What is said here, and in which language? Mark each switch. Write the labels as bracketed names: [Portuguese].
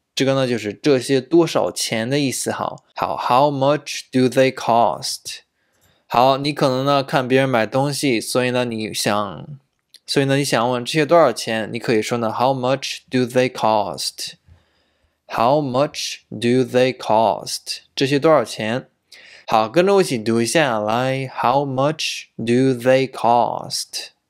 [Chinese] 这个呢就是这些多少钱的意思。 [English] 好，好，How much do they cost？ [Chinese] 好，你可能呢看别人买东西，所以呢你想问这些多少钱，你可以说呢， [English] How much do they cost？ [Chinese] How much do they cost？这些多少钱？好，跟着我一起读一下，来， [English] How much do they cost?